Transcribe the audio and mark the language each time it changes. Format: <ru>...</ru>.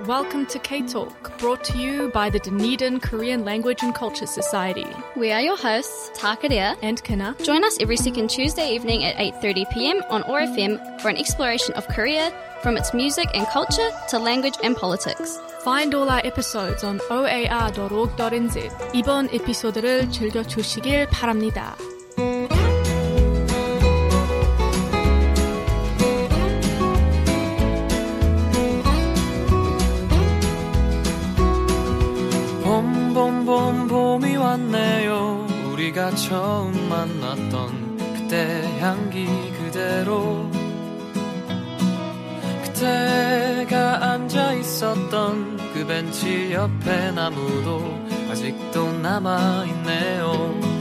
<en>Welcome to K-Talk, brought to you by the Dunedin Korean Language and Culture Society. We are your hosts, Takaria and Kina. Join us every second Tuesday evening at 8:30 p.m. on ORFM for an exploration of Korea, from its music and culture to language and politics. Find all our episodes on oar.org.nz.</en> <ko>이번 에피소드를 즐겨주시길 바랍니다.</ko> <en>Boom, boom, boom, boom</en> <ko>이 왔네요. 우리가 처음 만났던 그때 향기 그대로. 그때가 앉아 있었던 그 벤치 옆에 나무도 아직도 남아 있네요.</ko>